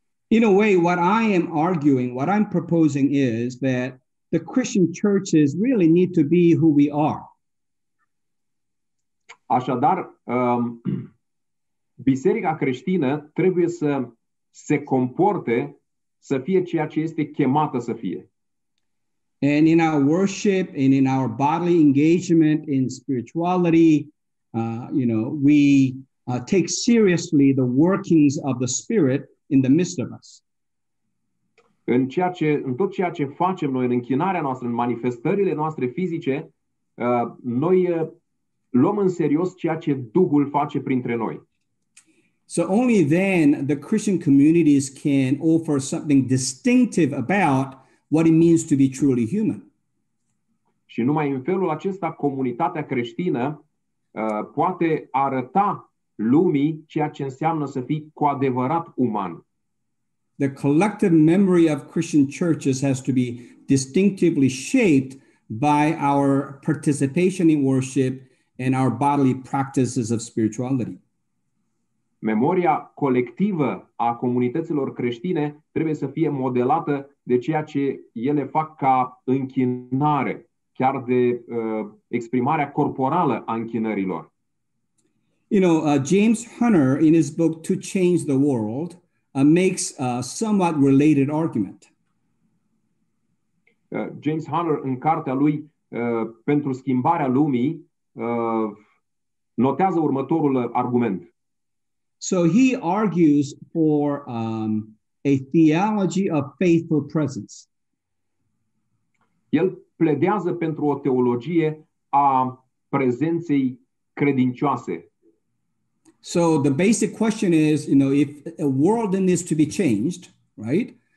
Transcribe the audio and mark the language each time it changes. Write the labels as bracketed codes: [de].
[en] In a way, what I am arguing, what I'm proposing is that the Christian churches really need to be who we are. [ro] Așadar, biserica creștină trebuie să se comporte să fie ceea ce este chemată să fie. [en] And in our worship and in our bodily engagement in spirituality, we take seriously the workings of the Spirit in the midst of us. [ro] În tot ceea ce facem noi, în închinarea noastră, în manifestările noastre fizice, noi luăm în serios ceea ce Duhul face printre noi. [en] So only then the Christian communities can offer something distinctive about what it means to be truly human. [ro] Și numai în felul acesta comunitatea creștină poate arăta lumii ceea ce înseamnă să fii cu adevărat uman. [en] The collective memory of Christian churches has to be distinctively shaped by our participation in worship and our bodily practices of spirituality. [ro] Memoria colectivă a comunităților creștine trebuie să fie modelată de ceea ce ele fac ca închinare, chiar de exprimarea corporală a închinărilor. [en] You know, James Hunter, in his book To Change the World, makes a somewhat related argument. [ro] James Hunter, în cartea lui Pentru Schimbarea Lumii, notează următorul argument. [en] So he argues for a theology of faithful presence. [ro] El pledează pentru o teologie a prezenței credincioase. [en] So the basic question is, you know, if a world needs to be changed, right?